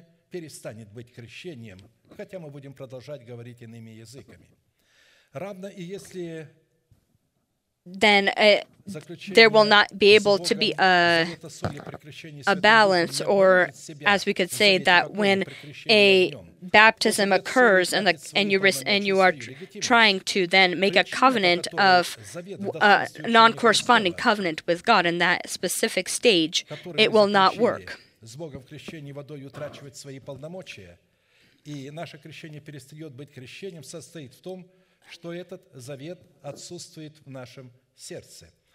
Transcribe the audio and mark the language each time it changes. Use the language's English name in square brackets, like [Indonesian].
[Russian] перестанет быть крещением, хотя мы будем продолжать говорить иными языками. Равно и если [English] then there will not be able to be a balance, or as we could say, that when a baptism occurs and you are trying to then make a covenant of a non-corresponding covenant with God in that specific stage, it will not work. [Russian] С Богом в крещении водой утрачивает свои полномочия, и наше крещение перестает быть крещением, состоит в том, что этот завет отсутствует в нашем сердце.